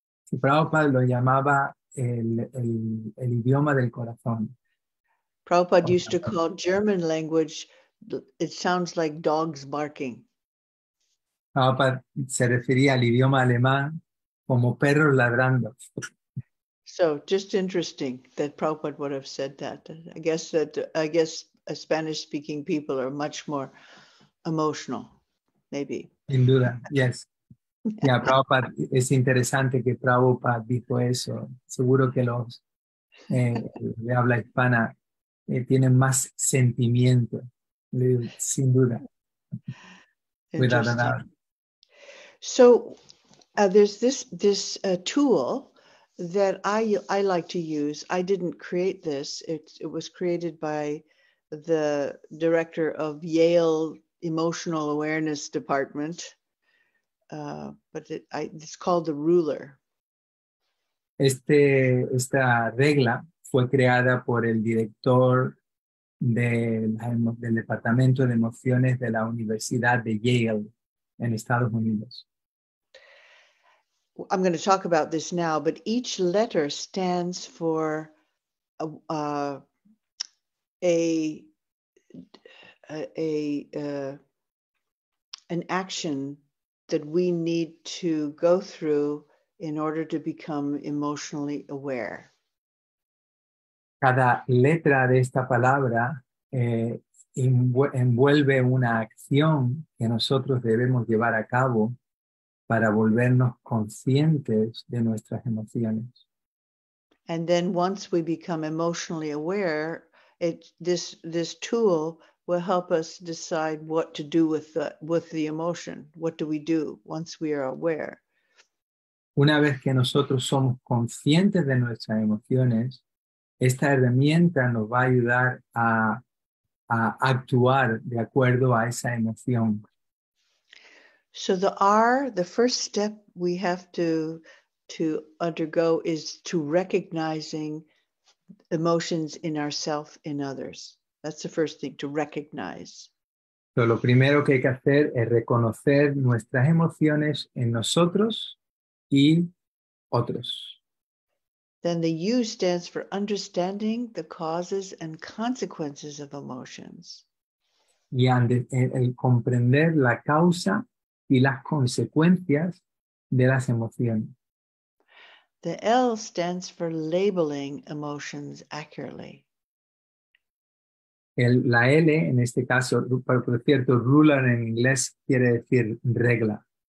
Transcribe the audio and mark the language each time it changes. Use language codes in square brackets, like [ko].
[es] Y Prabhupada lo llamaba el idioma del corazón. [en] Prabhupada used to call German language, it sounds like dogs barking. [es] Prabhupada se refería al idioma alemán como perros ladrando. [en] So, just interesting that Prabhupada would have said that. I guess Spanish-speaking people are much more emotional, maybe. [es] Sin duda, yes. Yeah, Prabhupada, es interesante que Prabhupada dijo eso. Seguro que los de habla hispana tienen más sentimiento, sin duda. [en] Without a doubt. So, there's this tool that I like to use. I didn't create this. It was created by the director of Yale Emotional Awareness Department. But it's called the ruler. [es] Esta regla fue creada por el director del Departamento de Emociones de la Universidad de Yale en Estados Unidos. [en] I'm going to talk about this now, but each letter stands for an action that we need to go through in order to become emotionally aware. [es] Cada letra de esta palabra envuelve una acción que nosotros debemos llevar a cabo para volvernos conscientes de nuestras emociones. [en] And then once we become emotionally aware, this tool will help us decide what to do with the emotion. What do we do once we are aware? [es] Una vez que nosotros somos conscientes de nuestras emociones, esta herramienta nos va a ayudar a actuar de acuerdo a esa emoción. [en] So the first step we have to undergo is to recognizing emotions in ourselves and others. That's the first thing, to recognize. [es] So lo primero que hay que hacer es reconocer nuestras emociones en nosotros y otros. [en] Then the U stands for understanding the causes and consequences of emotions. [es] Y el comprender la causa y las consecuencias de las emociones. [en] The L stands for labeling emotions accurately. [es] La L, en este caso, por cierto, ruler en inglés quiere decir regla.